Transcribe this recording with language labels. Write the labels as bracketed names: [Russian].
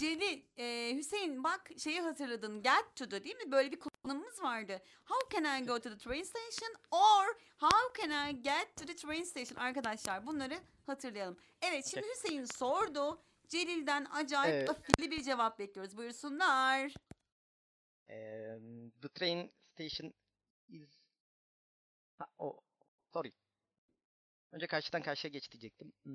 [Turkish] Jenny, Hüseyin bak şeyi hatırladın. [English] Get to the, [Turkish] değil mi? Böyle bir kullanımımız vardı. [English] How can I go to the train station? Or how can I get to the train station? [Turkish] Arkadaşlar bunları hatırlayalım. Evet şimdi Hüseyin sordu. Celil'den acayip öfkeli bir cevap bekliyoruz. Buyursunlar. [English] The train station is... Sorry. [Turkish] Önce karşıdan karşıya geç diyecektim.